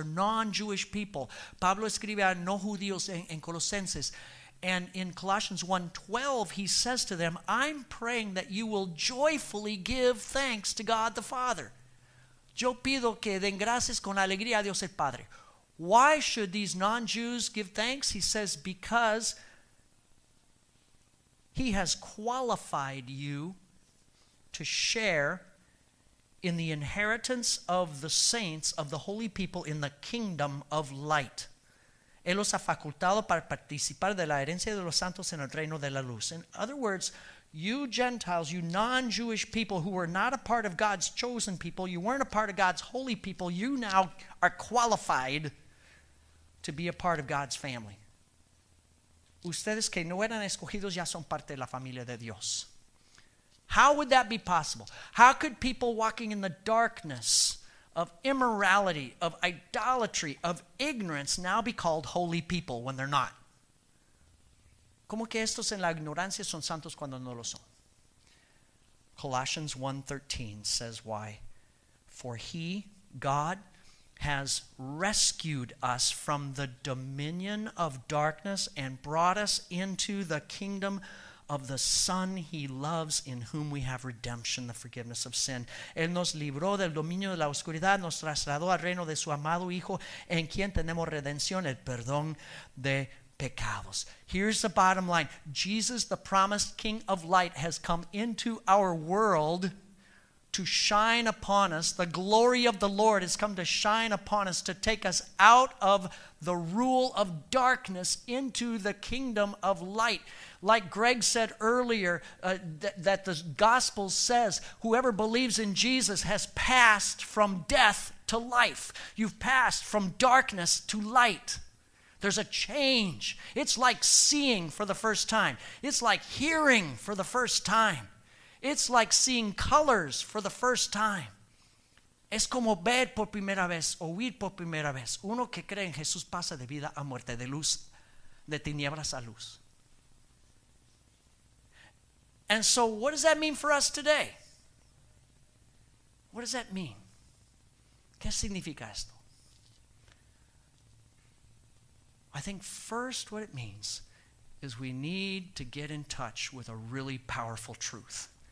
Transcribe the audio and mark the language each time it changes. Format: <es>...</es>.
<en>They're non-Jewish people.</en> <es>Pablo escribe a no judíos en Colosenses.</es> <en>And in Colossians 1:12, he says to them, I'm praying that you will joyfully give thanks to God the Father.</en> <es>Yo pido que den gracias con alegría a Dios el Padre.</es> <en>Why should these non-Jews give thanks? He says, because he has qualified you to share in the inheritance of the saints, of the holy people, in the kingdom of light.</en> <es>Él los ha facultado para participar de la herencia de los santos en el reino de la luz.</es> <en>In other words, you Gentiles, you non-Jewish people who were not a part of God's chosen people, you weren't a part of God's holy people, you now are qualified to be a part of God's family.</en> <es>Ustedes que no eran escogidos ya son parte de la familia de Dios.</es> <en>How would that be possible? How could people walking in the darkness of immorality, of idolatry, of ignorance now be called holy people when they're not?</en> <es>¿Cómo que estos en la ignorancia son santos cuando no lo son?</es> <en>Colossians 1:13 says why. For he, God, has rescued us from the dominion of darkness and brought us into the kingdom of the Son he loves, in whom we have redemption, the forgiveness of sin.</en> <es>Él nos libró del dominio de la oscuridad, nos trasladó al reino de su amado Hijo, en quien tenemos redención, el perdón de pecados.</es> <en>Here's the bottom line. Jesus, the promised King of light, has come into our world to shine upon us. The glory of the Lord has come to shine upon us, to take us out of the rule of darkness into the kingdom of light. Like Greg said earlier, that the gospel says, whoever believes in Jesus has passed from death to life. You've passed from darkness to light. There's a change. It's like seeing for the first time. It's like hearing for the first time. It's like seeing colors for the first time.</en> <es>Es como ver por primera vez, oír por primera vez. Uno que cree en Jesús pasa de vida a muerte, de luz, de tinieblas a luz.</es> <en>And so what does that mean for us today? What does that mean?</en> <es>¿Qué significa esto?</es> <en>I think first what it means is we need to get in touch with a really powerful truth.</en>